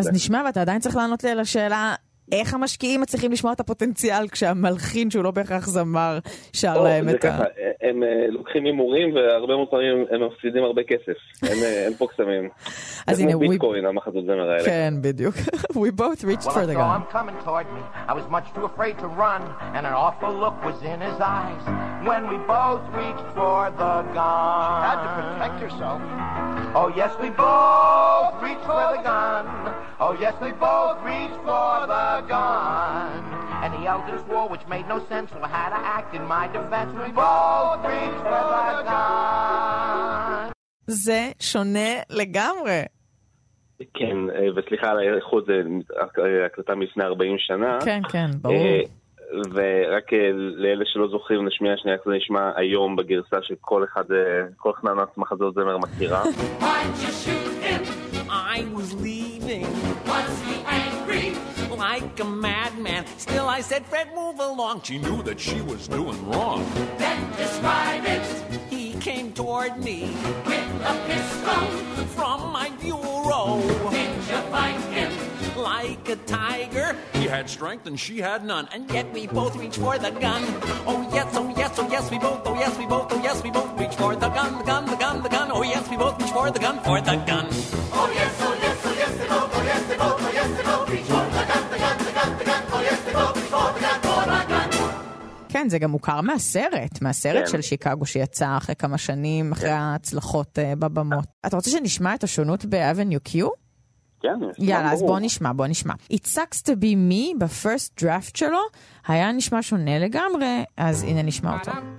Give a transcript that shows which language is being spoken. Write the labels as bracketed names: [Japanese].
[Hebrew] אז נשמע, ואתה עדיין צריך לענות לי על השאלה, איך המשקיעים מצליחים לשמוע את הפוטנציאל כשהמלחין שהוא לא בהכרח זמר שר להם את ה... הם לוקחים הימורים, והרבה מאוד פעמים הם מפסידים הרבה כסף. הם פה קסמים. אז הנה, ביטקוין, המחזות זמר האלה. כן, בדיוק. [English] We both reached for the gun. Well, I saw him coming toward me. I was much too afraid to run, and an awful look was in his eyes when we both reached for the gun. She had to protect herself. Oh, yes, we both reached for the gun. Oh, yes, we both reached for the gun. And he yelled this war, which made no sense, so I had to act in my defense. We both reached for the gun. [Hebrew] זה שונה לגמרי. כן, וסליחה על האיכות, זה הקלטה מלפני 40 שנה. כן, כן, ברור. ורק לאלה שלא זוכרים, נשמיע שנייה, זה נשמע היום בגרסה שכל אחד, כל חננת מחזות זמר מכירה. [English] Why'd you shoot him? I was leaving. Was he angry? Like a madman. Still I said, Fred, move along. She knew that she was doing wrong. Then describe it. He came toward me with a pistol from my bureau. Did you fight him? Like a tiger. He had strength and she had none. And yet we both reached for the gun. Oh yes, oh yes, oh yes, we both. Oh yes, we both, oh yes, we both reached for the gun. The gun, the gun, the gun. Oh yes, we both reached for the gun. For the gun. Oh yes, oh yes, oh yes, they both. Oh yes, they both, oh yes, they both reached for the gun. [Hebrew] כן, זה גם מוכר מהסרט, מהסרט כן. של שיקגו שיצא אחרי כמה שנים, אחרי כן. ההצלחות בבמות. אתה רוצה שנשמע את השונות באבניו קיו? כן. יאללה, אז בוא נשמע, בוא נשמע. [English] It sucks to be me, [Hebrew] בפרסט דראפט שלו, היה נשמע שונה לגמרי, אז הנה נשמע אותו.